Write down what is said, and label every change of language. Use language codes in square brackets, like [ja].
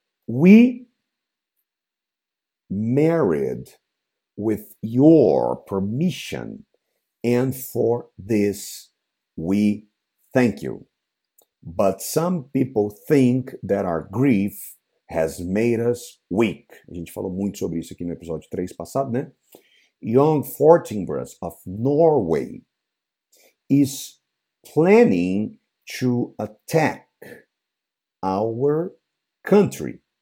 [en] We married with your permission, and for this we thank you. But some people think that our grief has made us weak. [pt] A gente falou muito sobre isso aqui no episódio 3 passado, né? [en] Young Fortinbras of Norway is planning to attack our country.